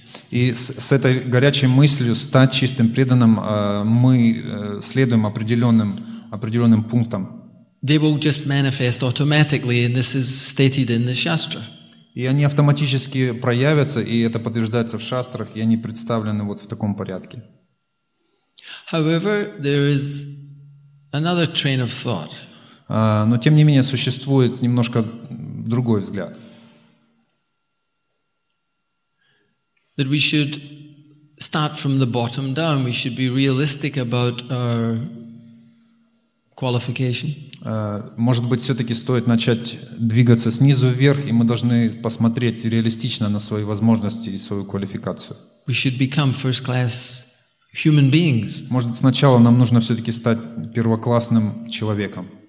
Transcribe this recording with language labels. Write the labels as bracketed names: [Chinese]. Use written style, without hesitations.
[Russian] И с этой горячей мыслью стать чистым преданным, мы следуем определенным пунктам. [English] They will just manifest automatically, and this is stated in the shastra. [Russian] И они автоматически проявятся, и это подтверждается в шастрах, и они представлены вот в таком порядке. [English] However, there is another train of thought. [Russian] Но тем не менее существует немножко другой взгляд. [English] That we should start from the bottom down. We should be realistic about our qualification. [Russian] Может быть, все-таки стоит начать двигаться снизу вверх, и мы должны посмотреть реалистично на свои возможности и свою квалификацию. [English] We should become first-class human beings. [Russian] Может, сначала нам нужно все-таки стать первоклассным человеком.